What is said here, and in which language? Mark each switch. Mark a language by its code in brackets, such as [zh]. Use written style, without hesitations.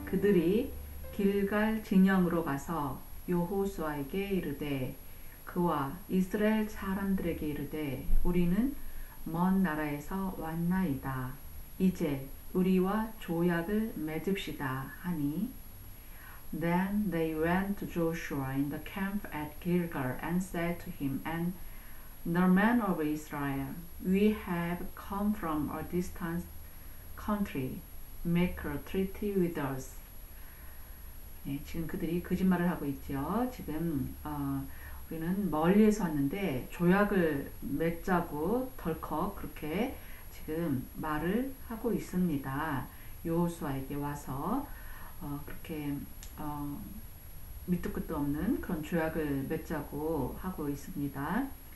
[ko] 그들이 길갈 진영으로 가서 여호수아에게 이르되 그와 이스라엘 사람들에게 이르되 우리는 먼 나라에서 왔나이다. 이제 우리와 조약을 맺읍시다 하니 [en] Then they went to Joshua in the camp at Gilgal and said to him and the men of Israel, We have come from a distant country. Make a treaty with us. [ko] 네, 지금 그들이 거짓말을 하고 있죠. 지금 우리는 멀리에서 왔는데 조약을 맺자고 덜컥 그렇게 지금 말을 하고 있습니다. 여호수아에게 와서 그렇게 밑도 끝도 없는 그런 조약을 맺자고 하고 있습니다.